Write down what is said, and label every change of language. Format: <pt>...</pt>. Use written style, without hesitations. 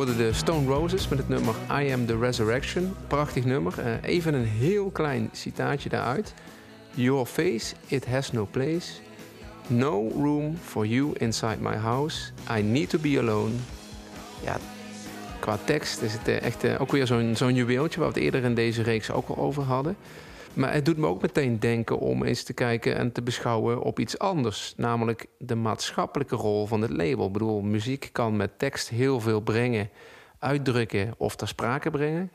<nl>Stone Roses met het nummer I Am The Resurrection. Prachtig nummer. Even een heel klein citaatje daaruit.</nl> <en>Your face, it has no place. No room for you inside my house. I need to be alone.</en> <nl>Ja, qua tekst is het echt ook weer zo'n juweeltje waar we het eerder in deze reeks ook al over hadden. Maar het doet me ook meteen denken om eens te kijken en te beschouwen op iets anders. Namelijk de maatschappelijke rol van het label. Ik bedoel, muziek kan met tekst heel veel brengen, uitdrukken of ter sprake brengen.</nl>